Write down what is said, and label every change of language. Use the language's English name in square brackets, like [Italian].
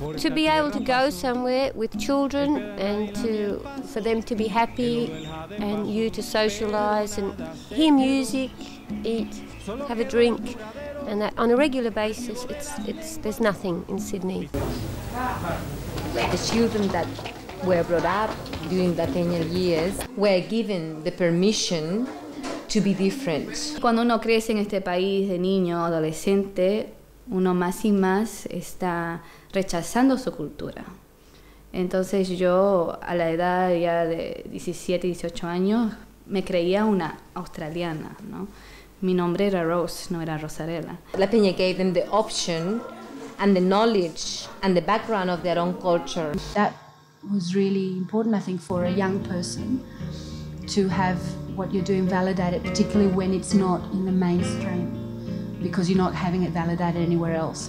[English] To be able to go somewhere with children and for them to be happy and you to socialise and hear music, eat, have a drink, and that on a regular basis, there's nothing in Sydney. The children that were brought up during the 10 years were given the permission to be different. [Spanish] Cuando uno crece en este país de niño, adolescente, uno más y más está rechazando su cultura. Entonces yo, a la edad ya de 17, 18 años, me creía una australiana, ¿no? Mi nombre era Rose, no era Rosarela. [English] La Peña gave them the option and the knowledge and the background of their own culture. That was really important, I think, for a young person to have what you're doing validated, particularly when it's not in the mainstream, because you're not having it validated anywhere else.